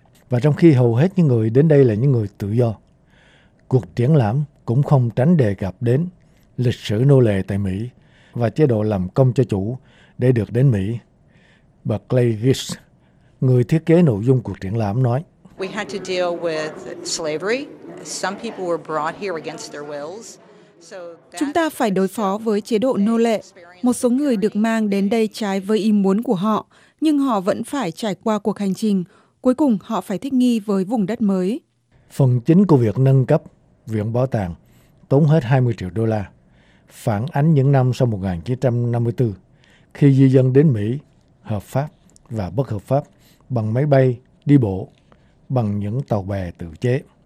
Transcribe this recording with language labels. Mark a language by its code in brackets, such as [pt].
[vi] Và trong khi hầu hết những người đến đây là những người tự do, cuộc triển lãm cũng không tránh đề cập đến lịch sử nô lệ tại Mỹ và chế độ làm công cho chủ để được đến Mỹ. Bà Clay Gis, người thiết kế nội dung cuộc triển lãm nói: [en] We had to deal with slavery. Some people were brought here against their wills. [vi] Chúng ta phải đối phó với chế độ nô lệ. Một số người được mang đến đây trái với ý muốn của họ, nhưng họ vẫn phải trải qua cuộc hành trình. Cuối cùng, họ phải thích nghi với vùng đất mới. Phần chính của việc nâng cấp viện bảo tàng tốn hết 20 triệu đô la, phản ánh những năm sau 1954, khi di dân đến Mỹ, hợp pháp và bất hợp pháp, bằng máy bay, đi bộ, bằng những tàu bè tự chế.